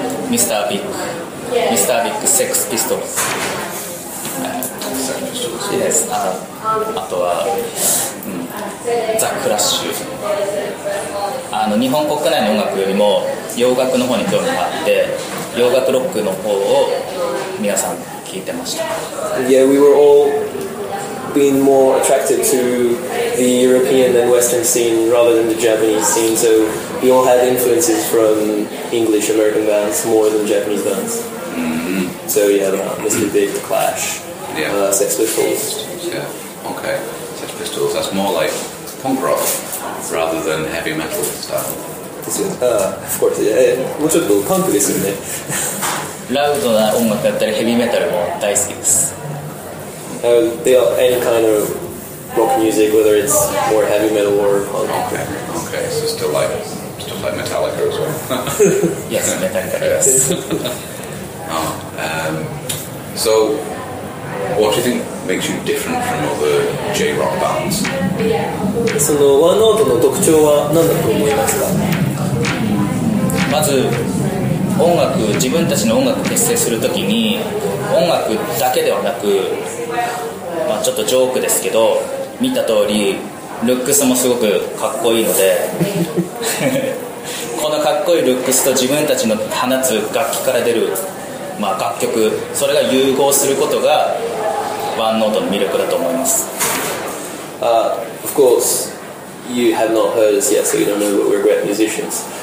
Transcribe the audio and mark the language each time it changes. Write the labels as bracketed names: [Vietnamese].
[Japanese] ミスタービッグ、ミスタービッグ、セックスピストルズ、 [English] yes. [Japanese] あとは、ザ・クラッシュ。日本国内の音楽よりも洋楽の方に興味があって、洋楽ロックの方を皆さん聞いてました。 [English] Yeah, we were allbeen more attracted to the European and Western scene rather than the Japanese scene, so we all had influences from English, American bands more than Japanese bands. Mm-hmm. So yeah, the Mr. Big, the Clash, Sex Pistols. Yeah, okay. Sex Pistols, that's more like punk rock rather than heavy metal style. Of course, yeah. [Japanese] もうちょっとパンクですよね。ラウドな音楽だったりヘビーメタルも大好きです。 [English] They are any kind of rock music, whether it's more heavy metal or punk. Okay, so still like Metallica as well. Yes, Metallica. Yes. So what do you think makes you different from other J-rock bands? [Japanese] そのワンノートの特徴は何だと思いますか？まず音楽、自分たちの音楽を結成するときに音楽だけではなく、まあ、ちょっとジョークですけど、見た通りルックスもすごくかっこいいのでこのかっこいいルックスと自分たちの放つ楽器から出るまあ、楽曲それが融合することがワンノートの魅力だと思います。 [English] Of course, you have not heard us yet, so you don't know what we're great musicians.